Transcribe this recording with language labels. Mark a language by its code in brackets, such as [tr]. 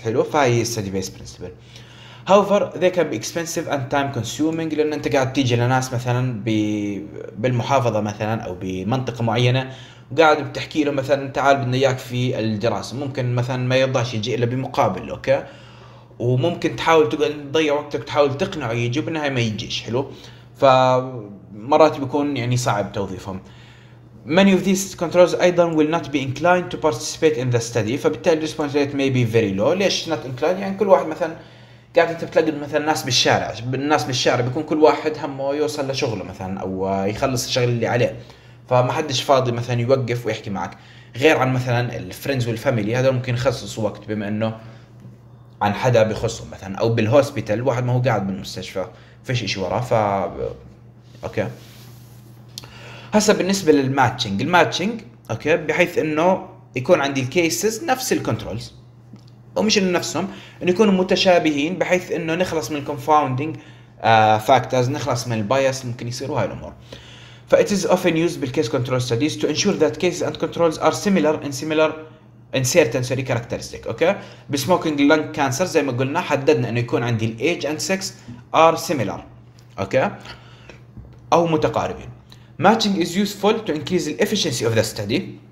[ar] حلو، فهي ستادي بيس برنسبل. [en] however they can be expensive and time consuming, [ar] لان انت قاعد تيجي لناس مثلا بالمحافظه مثلا او بمنطقه معينه وقاعد بتحكي له مثلا تعال بدنا اياك في الدراسه، ممكن مثلا ما يرضاش يجي الا بمقابل. اوكي، وممكن تحاول تقعد تضيع وقتك تحاول تقنعه يجي وبالنهايه ما يجيش. حلو، فمرات بيكون يعني صعب توظيفهم. [en] Many of these controls أيضا will not be inclined to participate in the study. فبالتالي response rate may be very low. [ar] ليش not inclined؟ يعني كل واحد مثلا قاعد انت بتلاقي مثلا ناس بالشارع، الناس بالشارع بيكون كل واحد همه يوصل لشغله مثلا او يخلص الشغل اللي عليه، فما حدش فاضي مثلا يوقف ويحكي معك، غير عن مثلا الفريندز والفاميلي، هذول ممكن يخصصوا وقت بما انه عن حدا بخصهم مثلا، او بالهوسبيتال واحد ما هو قاعد بالمستشفى فيش اشي وراه. ف اوكي، هسا بالنسبة للماتشنج، الماتشنج اوكي بحيث انه يكون عندي الكيسز نفس الكنترولز، ومش انه نفسهم، انه يكونوا متشابهين بحيث انه نخلص من الكونفاوندينج فاكتورز، نخلص من البايس ممكن يصيروا هاي الامور. [en] فا it is often used بالكيس control studies to ensure that cases and controls are similar in certain sorry characteristics. [ar] اوكي، بسموكينج لنج كانسر زي ما قلنا حددنا انه يكون عندي الايج اند سكس ار سيميلر. اوكي، او متقاربين. [en] Matching is useful to increase the efficiency of the study.